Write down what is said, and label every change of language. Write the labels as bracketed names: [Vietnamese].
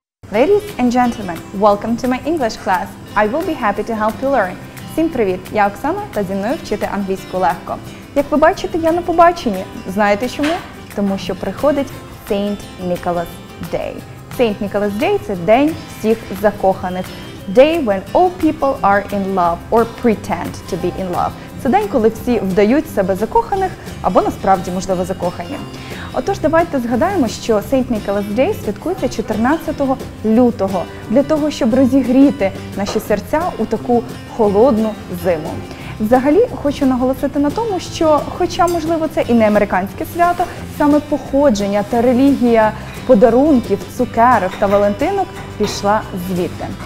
[English] Ladies and gentlemen, welcome to my English class. I will be happy to help you learn. [Ukrainian] Всім привіт! Я Оксана та зі мною вчити англійську легко. Як ви бачите, я на побаченні. Знаєте чому? Тому що приходить Saint Nicholas Day. Saint Nicholas Day – це день всіх закоханих. [English] Day when all people are in love or pretend to be in love. [Ukrainian] Це день, коли всі вдають себе закоханих або насправді, можливо, закохані. Отож, давайте згадаємо, що Saint Nicholas Day святкується 14 лютого для того, щоб розігріти наші серця у таку холодну зиму. Взагалі, хочу наголосити на тому, що хоча, можливо, це і не американське свято, саме походження та релігія подарунків, цукерок та валентинок пішла звідти.